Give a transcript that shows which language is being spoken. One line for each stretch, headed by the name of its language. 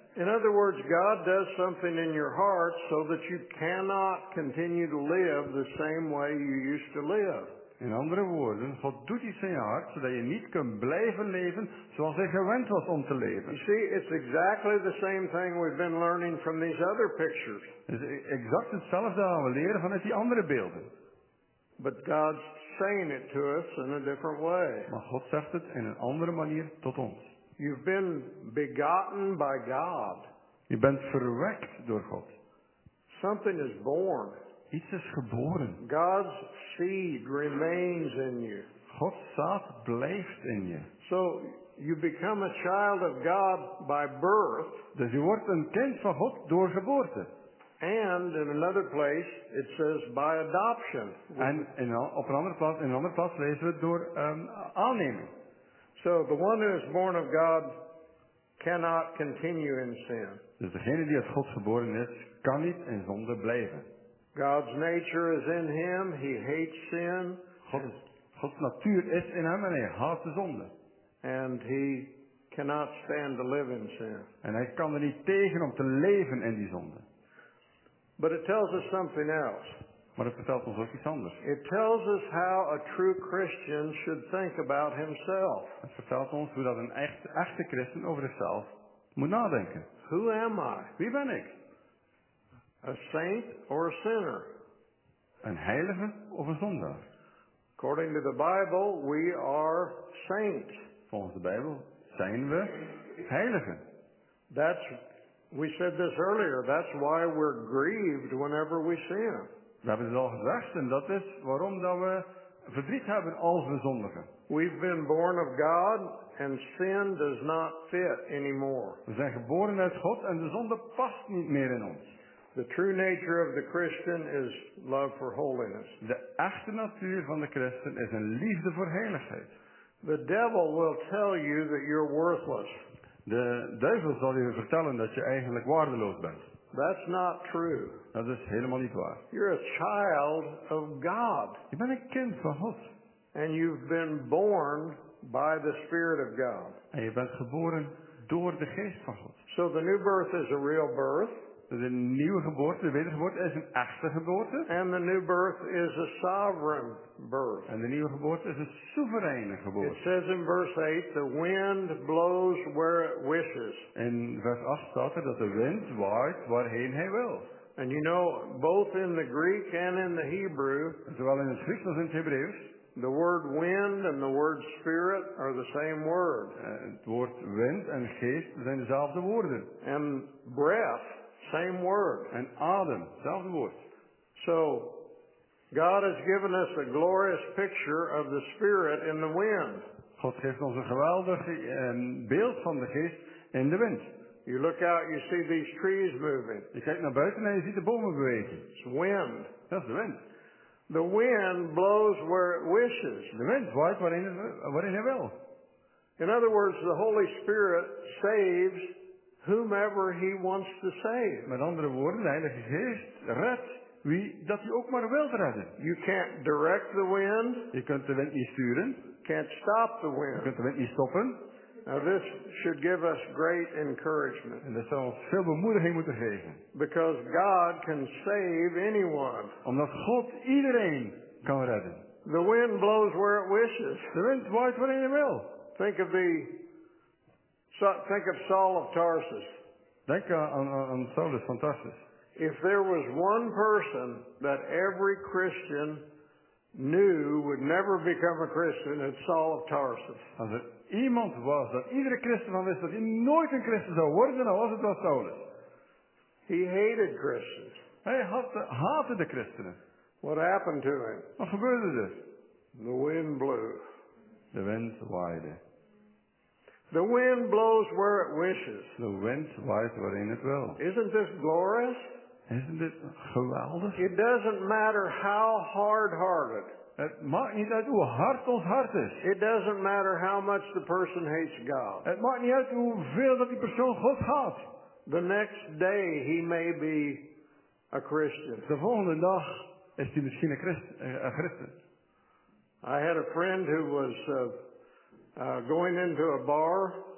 English: In other words, God does something in your heart so that you cannot continue to live the same way you used to live.
Dutch: In andere woorden, God doet iets in je hart zodat je niet kunt blijven leven zoals hij gewend was om te leven.
English: You see, it's exactly the same thing we've been learning from these other pictures.
Dutch: Het is exact hetzelfde dat we leren vanuit die andere beelden.
English: But God's saying it to us in a different way.
Dutch: Maar God zegt het in een andere manier tot ons.
English: You've been begotten by God.
Dutch: Je bent verwekt door God.
English: Something is born.
Dutch: Iets is geboren.
English: God's seed remains in you.
Dutch: Gods zaad blijft in je.
English: So you become a child of God by birth.
Dutch: Dus je wordt een kind van God door geboorte.
English: And in another place it says by adoption.
Dutch: And in een andere plaats lezen we door aanneming.
English: So the one who is born of God cannot continue in sin.
Dutch: Dus degene die uit God geboren is, kan niet in zonde blijven.
English: God's nature is in him, he hates sin.
Dutch: God's natuur is in hem en hij haat de zonde.
English: And he cannot stand to live in sin.
Dutch: En hij kan er niet tegen om te leven in die zonde.
English: But it tells us something else.
Dutch: Maar het vertelt ons ook iets anders.
English: It tells us how a true Christian should think about himself.
Dutch: Het vertelt ons hoe dat een echte christen over zichzelf moet nadenken.
English: Who am I?
Dutch: Wie ben ik?
English: A saint or a sinner?
Dutch: Een heilige of een zondaar?
English: According to the Bible, we are saints.
Dutch: Volgens de Bijbel zijn we heiligen.
English: We said this earlier. That's why we're grieved whenever we sin.
Dutch: We hebben het al gezegd, en dat is waarom dat we verdriet hebben als we zondigen.
English: We've been born of God, and sin does not fit anymore.
Dutch: We zijn geboren uit God, en de zonde past niet meer in ons.
English: The true nature of the Christian is love for holiness.
Dutch: De echte natuur van de christen is een liefde voor heiligheid.
English: The devil will tell you that you're worthless.
Dutch: De duivel zal je vertellen dat je eigenlijk waardeloos bent.
English: That's not true.
Dutch: Dat is helemaal niet waar.
English: You're a child of God.
Dutch: Je bent een kind van God.
English: And you've been born by the Spirit of God.
Dutch: En je bent geboren door de Geest van God.
English: So the new birth is a real birth.
Dutch: Dus de nieuwe geboorte, de wedergeboorte, is een echte geboorte.
English: And the new birth is a sovereign birth.
Dutch: En de nieuwe geboorte is een soevereine geboorte.
English: It says in verse 8, the wind blows where it wishes.
Dutch: In vers 8 staat er dat de wind waait waarheen hij wil.
English: And you know, both in the Greek and in the Hebrew.
Dutch: Zowel in het Grieks als in het Hebreeuws.
English: The word wind and the word spirit are the same word.
Dutch: Het woord wind en geest zijn dezelfde woorden.
English: And breath. Same word.
Dutch: En adem, zelfde woord.
English: So, God has given us a glorious picture of the Spirit in the wind.
Dutch: God geeft ons een geweldig beeld van de geest in de wind.
English: You look out, you see these trees moving.
Dutch: Je kijkt naar buiten en je ziet de bomen bewegen.
English: It's wind.
Dutch: Dat is de wind.
English: The wind blows where it wishes.
Dutch: De wind waait waarin hij wil.
English: In other words, the Holy Spirit saves whomever he wants to save.
Dutch: Met andere woorden, de Heilige Geest redt wie dat hij ook maar wilt redden.
English: You can't direct the wind.
Dutch: Je kunt de wind niet sturen.
English: Can't stop the wind.
Dutch: Je kunt de wind niet stoppen.
English: Now this should give us great encouragement.
Dutch: En dat zou ons veel bemoediging moeten geven.
English: Because God can save anyone.
Dutch: Omdat God iedereen kan redden.
English: The wind blows where it wishes.
Dutch: De wind waait waarin hij wil.
English: Think of Saul of Tarsus.
Dutch: Denk aan Saulus van Tarsus.
English: If there was one person that every Christian knew would never become a Christian, it's Saul of Tarsus.
Dutch: Als er iemand was dat iedere christen van wist dat hij nooit een christen zou worden, dan was het wel Saulus.
English: He hated Christians.
Dutch: Hij haatte de christenen.
English: What happened to him?
Dutch: Wat gebeurde er?
English: The wind blew.
Dutch: De wind waaide.
English: The wind blows where it wishes. The wind
Dutch: waait waarin het wil.
English: Isn't this glorious? Isn't it geweldig? It doesn't matter how hard-hearted.
Dutch: Het maakt niet uit hoe hard ons hart is.
English: It doesn't matter how much the person hates God.
Dutch: Het maakt niet uit hoeveel dat die persoon God haat.
English: The next day he may be a Christian.
Dutch: De volgende dag is hij misschien een Christen.
English: I had a friend who was going into a bar.